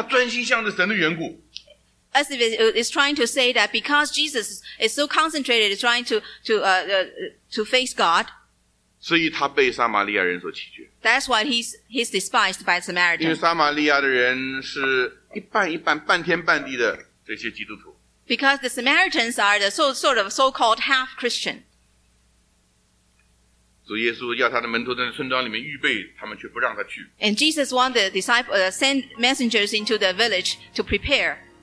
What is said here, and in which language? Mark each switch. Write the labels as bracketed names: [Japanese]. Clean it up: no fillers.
[Chinese] 好像这里的意思就是说，因为他专心向着神的缘故。 [English] As if it's trying to say that because Jesus is so concentrated, he's trying to face God. [Chinese] 所以他被撒玛利亚人所弃绝。 [English] That's why he's despised by Samaritans. [Chinese] 因为撒玛利亚的人是一半一半、半天半地的这些基督徒。 [English] Because the Samaritans are the sort of so-called half-Christian. [Chinese] 主耶稣要他的门徒在村庄里面预备，他们却不让他去。 [English] And Jesus wanted the disciples send messengers into the village to prepare.